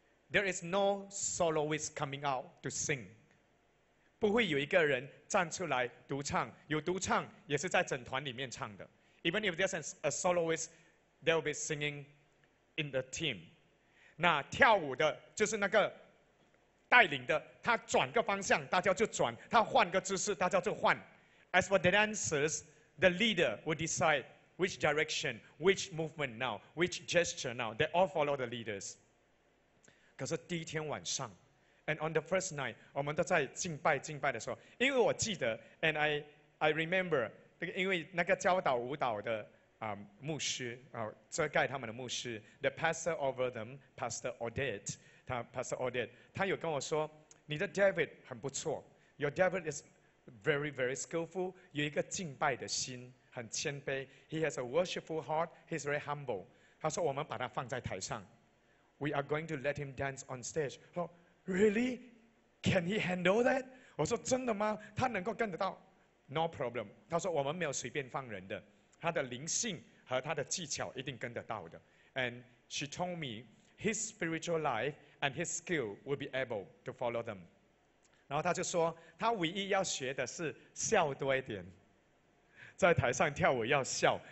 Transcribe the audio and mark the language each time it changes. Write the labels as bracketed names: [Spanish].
[English] There is no soloist coming out to sing. [Chinese] 不会有一个人站出来独唱，有独唱也是在整团里面唱的。 [English] Even if there's a soloist, they'll be singing in the team. [Chinese] 那跳舞的，就是那个带领的，他转个方向，大家就转；他换个姿势，大家就换。 [English] As for the dancers, the leader will decide which direction, which movement now, which gesture now. They all follow the leaders. [Chinese] 可是第一天晚上。 [English] And on the first night, [Chinese] 我们都在敬拜敬拜的时候，因为我记得 ， [English] and I remember， [Chinese] 因为那个教导舞蹈的牧师遮盖他们的牧师 ， [English] the pastor over them, [Chinese] Pastor Odette， 他 Pastor Odette， 他有跟我说，你的 David 很不错 ， [English] your David is very very skillful， [Chinese] 有一个敬拜的心，很谦卑 ， [English] he has a worshipful heart, he's very humble。 [Chinese] 他说我们把他放在台上 [English] ，we are going to let him dance on stage。Really? Can he handle that? [Chinese] 我说真的吗？他能够干得到 ？ [English] No problem. [Chinese] 他说我们没有随便放人的，他的灵性和他的技巧一定跟得到的。 [English] And she told me his spiritual life and his skill will be able to follow them. [Chinese] 然后他就说他唯一要学的是笑多一点，在台上跳舞要笑。